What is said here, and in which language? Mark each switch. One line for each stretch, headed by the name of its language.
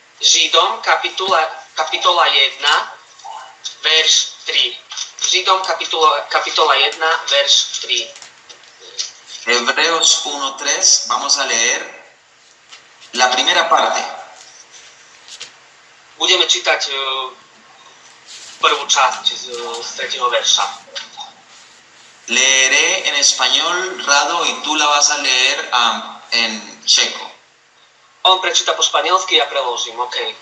Slovak: Židom kapitola 1, verš 3. Židom kapitola 1, verš 3.
Spanish: Hebreos 1, 3. Vamos a leer la primera parte.
Slovak: Budeme čítať prvú časť z tretieho verša.
Spanish: Leeré en español, Rado, y tú la vas a leer en checo.
Slovak: On prečíta po španielsky, ja preložím, OK.